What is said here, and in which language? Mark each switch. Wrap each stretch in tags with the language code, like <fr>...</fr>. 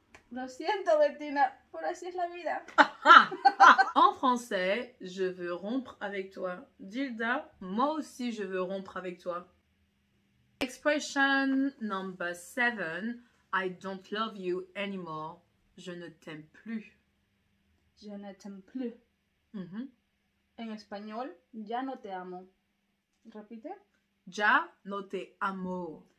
<es>Lo siento, Bettina, pero así es la vida.</es> <fr>En français, je veux rompre avec toi. Gilda, moi aussi je veux rompre avec toi.</fr> <en>Expression number seven, I don't love you anymore.</en> <fr>Je ne t'aime plus. Je ne t'aime plus. Mm-hmm.</fr> <es>En español, ya no te amo. Repite. Ya no te amo.</es>